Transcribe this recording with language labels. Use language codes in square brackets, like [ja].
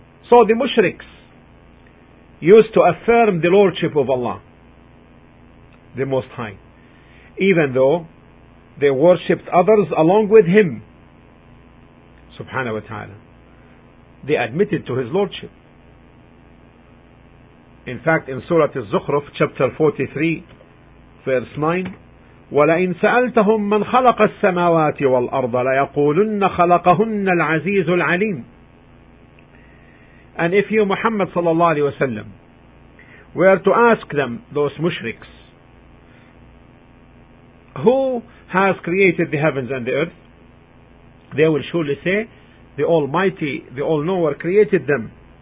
[en] So the mushriks used to affirm the lordship of Allah, the Most High, even though they worshipped others along with Him, subhanahu wa ta'ala. They admitted to His lordship. In fact, in Surah Al-Zukhruf, chapter 43, verse 9, [ar] ولئن سألتهم من خلق السماوات والأرض ليقولن خلقهن العزيز العليم. [en] And if you Muhammad [ar] صلى الله عليه وسلم [en] were to ask them, those mushriks, who has created the heavens and the earth, they will surely say, the Almighty, the All-Knower created them.